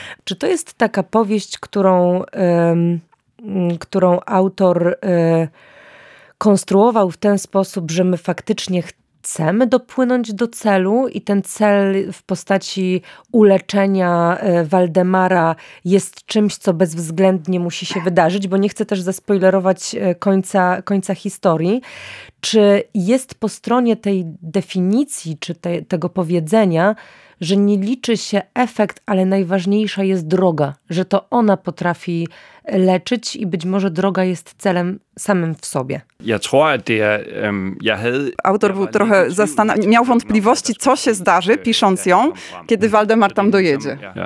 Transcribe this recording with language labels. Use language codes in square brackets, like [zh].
[pl] Czy to jest taka powieść, którą autor konstruował w ten sposób, że my faktycznie chcemy dopłynąć do celu i ten cel w postaci uleczenia Waldemara jest czymś, co bezwzględnie musi się wydarzyć, bo nie chcę też zaspoilerować końca historii. Czy jest po stronie tej definicji, czy tego powiedzenia, że nie liczy się efekt, ale najważniejsza jest droga, że to ona potrafi leczyć i być może droga jest celem samym w sobie. [da] Ja tror, at det er, jeg havde, [pl] autor ja, był trochę miał wątpliwości, co się zdarzy, pisząc ją, kiedy Waldemar tam dojedzie.